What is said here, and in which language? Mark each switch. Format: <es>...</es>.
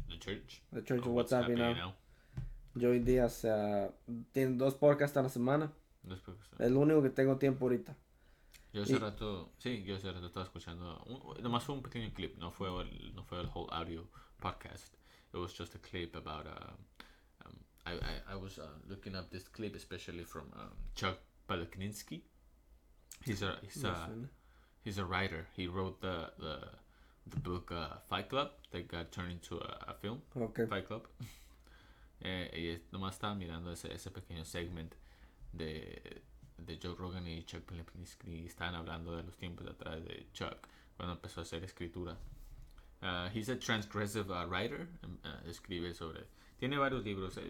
<en>The Church? The Church of</en> <es>¿O</es> <en>What's What's Happening Happening Now.</en> <es>Joey Díaz, tiene dos podcasts a la semana.</es> <en>Now?</en> <es>Es lo único que tengo tiempo ahorita. Yo hace rato, sí, yo hace rato estaba escuchando, nomás fue un pequeño clip, no fue el</es> <en>whole audio podcast. It was just a clip about, I was looking up this clip especially from Chuck Palahniuk.</en> <es>Me suena.</es> <en>He's a writer. He wrote the book Fight Club that got turned into a film, Okay. Fight Club.</en> <es>Y nomás estaba mirando ese pequeño segment de Joe Rogan y Chuck Palahniuk, y estaban hablando de los tiempos de atrás de Chuck cuando empezó a hacer escritura.</es> <en>He's a transgressive writer.</en> <es>Escribe sobre, tiene varios libros.</es>